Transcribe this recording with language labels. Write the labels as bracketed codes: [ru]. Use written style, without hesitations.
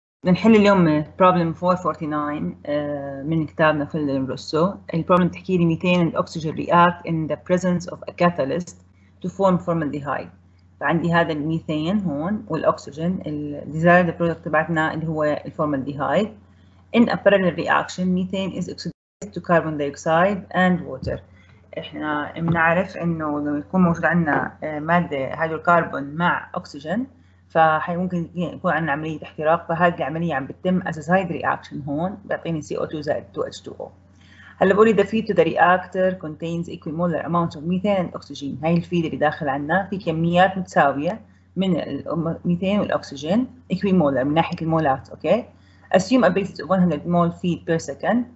[ar] بنحل اليوم problem 449 من كتابنا فيلم روسو. البروبلم تحكي لي ميثين الأكسجين [en] react in the presence of a catalyst to form formaldehyde. [ar] فعندي هذا الميثين هون والأكسجين الديزايرد برودكت تبعتنا اللي هو الفورمالديهايد. [en] In a parallel reaction, methane is oxidized to carbon dioxide and water. [ar] احنا بنعرف انه لما يكون موجود عندنا مادة هيدروكربون مع أكسجين فممكن يكون عندنا عملية احتراق، فهذه العملية عم بتتم [en] as a side reaction [ar] هون بيعطيني CO2 زائد 2H2O. هلا بقولي [en] the feed to the reactor contains equimolar amounts of methane and oxygen. [ar] هاي الفيد اللي داخل عنا في كميات متساوية من الميثان والأكسجين equimolar من ناحية المولات. [en] Okay assume a basis of 100 mol feed per second.